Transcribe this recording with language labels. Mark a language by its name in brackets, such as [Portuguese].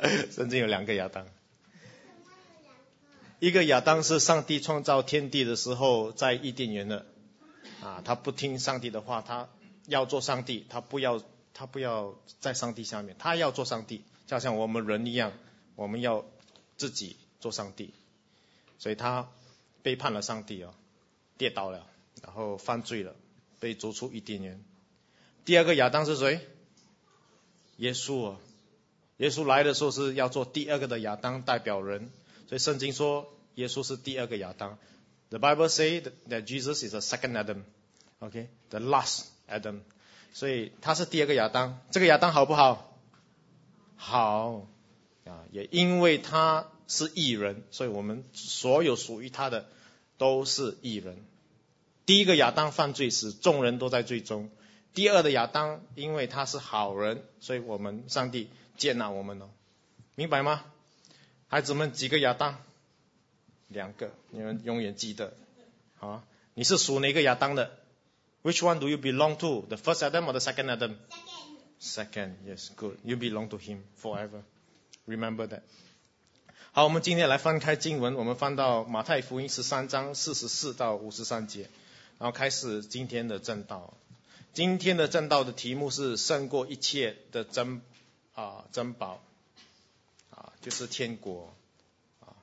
[Chinese] 圣经有两个亚当，一个亚当是上帝创造天地的时候在伊甸园的啊，他不听上帝的话，他要做上帝，他不要在上帝下面，他要做上帝，就像我们人一样，我们要自己做上帝，所以他背叛了上帝哦，跌倒了，然后犯罪了，被逐出伊甸园。第二个亚当是谁？耶稣哦，耶稣来的时候是要做第二个的亚当，代表人，所以圣经说耶稣是第二个亚当。 [English] The Bible say that Jesus is the second Adam, okay, the last Adam. [Chinese] 所以他是第二个亚当，这个亚当好不好？好啊，也因为他是义人，所以我们所有属于他的都是义人。第一个亚当犯罪时，众人都在罪中；第二的亚当因为他是好人，所以我们上帝接纳我们哦，明白吗？孩子们，几个亚当？两个，你们永远记得。啊，你是属哪个亚当的？ [English] Which one do you belong to? The first Adam or the second Adam? Second. Yes, good. You belong to him forever. Remember that. [Chinese] 好，我们今天来翻开经文，我们翻到马太福音13章44到53节，然后开始今天的正道。今天的正道的题目是胜过一切的珍宝啊，就是天国啊。